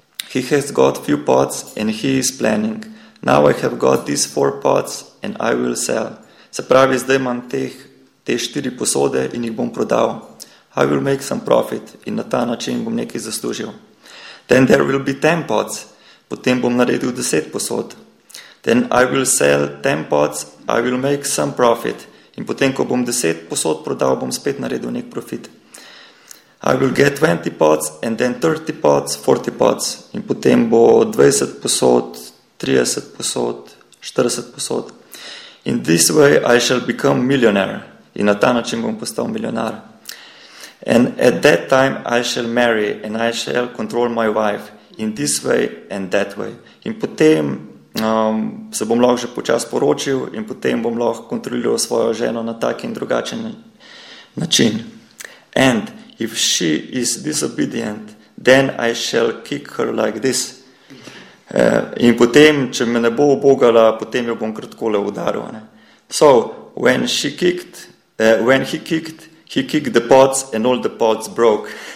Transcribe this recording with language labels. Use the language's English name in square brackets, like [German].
[English] He has got few pots and he is planning. Now I have got these four pots and I will sell. [Slovenian] Se pravi, zdaj imam te štiri posode in jih bom prodal. [English] I will make some profit [Slovenian] in na ta način bom nekaj zaslužil. [English] Then there will be 10 pots. [Slovenian] Potem bom naredil 10 posod. [English] Then I will sell 10 pots, I will make some profit. [Slovenian] In potem, ko bom 10 posod prodal, bom spet naredil nek profit. [English] I will get 20 pots and then 30 pots, 40 pots. [Slovenian] In potem bo 20 posod, 30 posod, 40 posod. [English] In this way I shall become millionaire. [Slovenian] In na ta način bom postal milijonar. [English] And at that time I shall marry and I shall control my wife in this way and that way. [Slovenian] In potem se bom lahko že počas poročil in potem bom lahko kontroliral svojo ženo na tak in drugačen način. [English] And if she is disobedient, then I shall kick her like this. [Slovenian] In potem, če me ne bo obogala, potem jo bom kratkole udaril. Ne? [English] So, when she kicked, when he kicked the pots and all the pots broke.